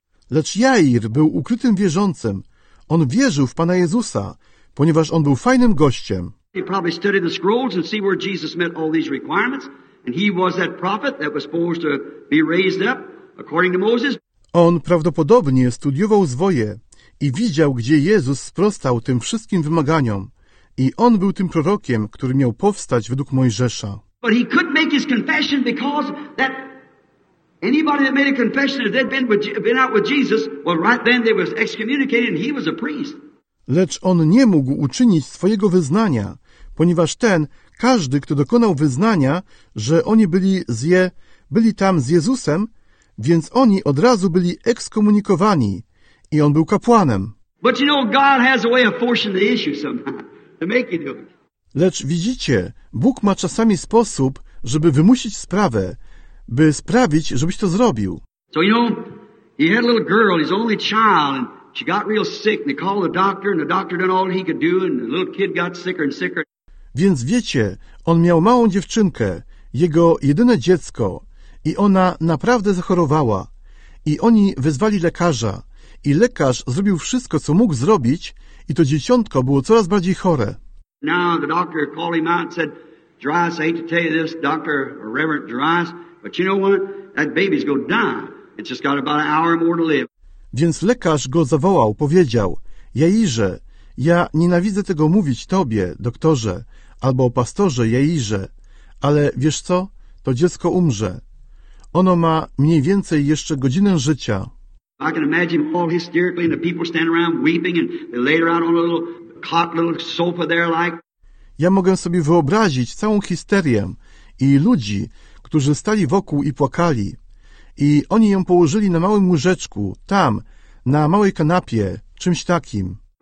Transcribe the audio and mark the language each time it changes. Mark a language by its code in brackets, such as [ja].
[pl] Lecz Jair był ukrytym wierzącym. On wierzył w Pana Jezusa, ponieważ on był fajnym gościem. [en] He probably studied the scrolls and see where Jesus met all these requirements. And he was that prophet that was supposed to be raised up according to Moses. [pl] On prawdopodobnie studiował zwoje i widział, gdzie Jezus sprostał tym wszystkim wymaganiom. I on był tym prorokiem, który miał powstać według Mojżesza. [en] But he couldn't make his confession because that anybody that made a confession if they'd been out with Jesus, well, right then they was excommunicated and he was a priest. [pl] Lecz on nie mógł uczynić swojego wyznania, ponieważ ten, każdy, kto dokonał wyznania, że oni byli tam z Jezusem, więc oni od razu byli ekskomunikowani i on był kapłanem. [en] But you know, God has a way of forcing the issue somehow, to make you do it. [pl] Lecz widzicie, Bóg ma czasami sposób, żeby wymusić sprawę, by sprawić, żebyś to zrobił. [en] So you know, he had a little girl, his only child, and she got real sick, and they called the doctor, and the doctor done all he could do, and the little kid got sicker and sicker. [pl] Więc wiecie, on miał małą dziewczynkę, jego jedyne dziecko, i ona naprawdę zachorowała. I oni wezwali lekarza, i lekarz zrobił wszystko, co mógł zrobić, i to dzieciątko było coraz bardziej chore. [en] Now the doctor called him out and said, Jairus, I hate to tell you this, doctor, Reverend Jairus, but you know what? That baby's gonna die. It's just got about an hour more to live. [pl] Więc lekarz go zawołał, powiedział, Jairze, ja nienawidzę tego mówić tobie, doktorze, albo pastorze Jairze, ale wiesz co? To dziecko umrze. Ono ma mniej więcej jeszcze godzinę życia. [en] I can imagine all hysterically, and the people stand around weeping, and they lay her out on a little cot, little sofa there, like. [pl] Ja mogę sobie wyobrazić całą histerię i ludzi, którzy stali wokół i płakali. I oni ją położyli na małym łóżeczku, tam, na małej kanapie, czymś takim.